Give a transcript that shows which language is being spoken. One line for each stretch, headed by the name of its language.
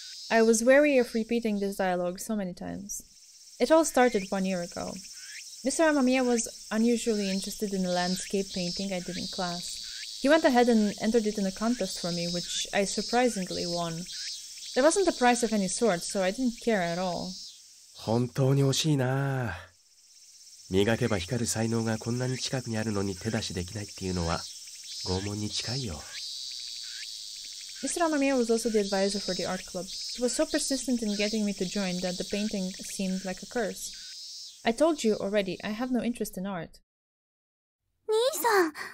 English: I was wary of repeating this dialogue so many times. It all started 1 year ago. Mr. Amamiya was unusually interested in a landscape painting I did in class. He went ahead and entered it in a contest for me, which I surprisingly won. There wasn't a prize of any sort, so I didn't care at all.
Japanese: 本当に惜しいな。磨けば光る才能がこんなに近くにあるのに手出しできないっていうのは拷問に近いよ。
English: Mr. Amamiya was also the advisor for the art club. He was so persistent in getting me to join that the painting seemed like a curse. I told you already, I have no interest in art.
Japanese: Nii-san!